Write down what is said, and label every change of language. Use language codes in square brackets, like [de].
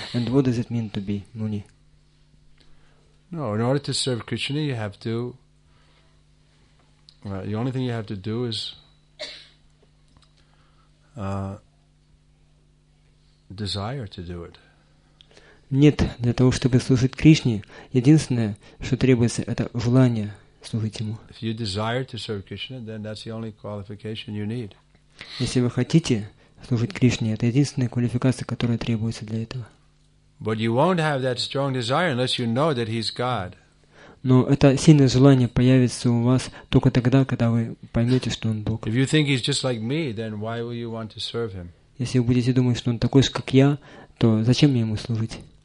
[en] And what does it mean to be Муни? No, in order to serve Krishna, you have to... The only thing you have to do is desire to do it. [ru] Нет, для того, чтобы служить Кришне, единственное, что требуется, это желание служить Ему. [en] If you desire to serve Krishna, then that's the only qualification you need. [ru] Если вы хотите служить Кришне, это единственная квалификация, которая требуется для этого. [en] But you won't have that strong desire unless you know that He's God. [ru] Но это сильное желание появится у вас только тогда, когда вы поймете, что Он Бог. Если вы будете думать, что Он такой же, как я, то зачем мне Ему служить?